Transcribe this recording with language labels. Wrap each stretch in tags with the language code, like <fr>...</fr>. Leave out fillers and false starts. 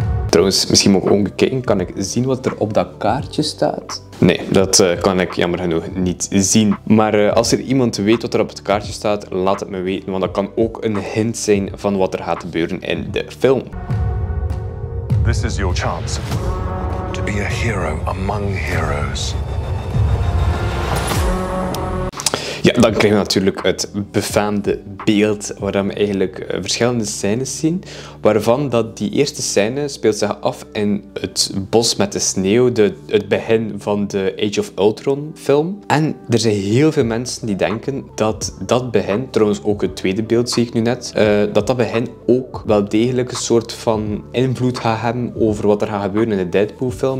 <nl>Trouwens, misschien moet ik ook kijken. Kan ik zien wat er op dat kaartje staat? Nee, dat kan ik jammer genoeg niet zien. Maar als er iemand weet wat er op het kaartje staat, laat het me weten. Want dat kan ook een hint zijn van wat er gaat gebeuren in de film.</nl> <en>This is your chance to be a hero among heroes.</en> <nl>Ja, dan krijgen we natuurlijk het befaamde beeld waar we eigenlijk verschillende scènes zien. Waarvan dat die eerste scène speelt zich af in het bos met de sneeuw. Het begin van de Age of Ultron film. En er zijn heel veel mensen die denken dat dat begin, trouwens ook het tweede beeld zie ik nu net, dat begin ook wel degelijk een soort van invloed gaat hebben over wat er gaat gebeuren in de Deadpool film.</nl>